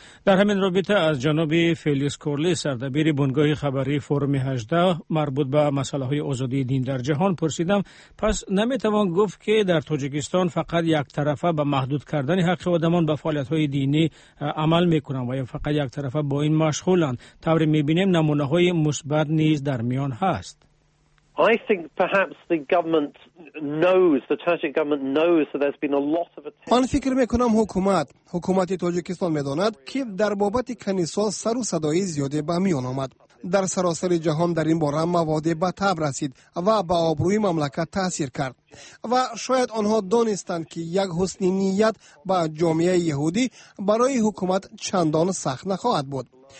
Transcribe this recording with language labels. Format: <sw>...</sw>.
<fa>در همین رابطه از جناب فلیکس کورلی، سردبیر بنگاه خبری فورم 18 مربوط به مسئله های آزادی دین در جهان پرسیدم: پس نمیتوان گفت که در تاجیکستان فقط یک طرفه به محدود کردن حق آدمان به فعالیت های دینی عمل میکنند و یا فقط یک طرفه با این مشغولند؟ طوری میبینیم نمونه های مثبت نیز در میان هست.</fa> <en>I think perhaps the government knows, the Turkish government knows that there's been a lot of attention.</en> <fa>من فکر میکنم حکومت تاجیکستان میداند که در بابت کنیسا سر و صدای زیاده به میان آمد. در سراسر جهان در این باره مواد به تب رسید و به آبروی مملکت تاثیر کرد. و شاید آنها دانستند که یک حسن نیت به جامعه یهودی برای حکومت چندان سخت نخواهد بود.</fa>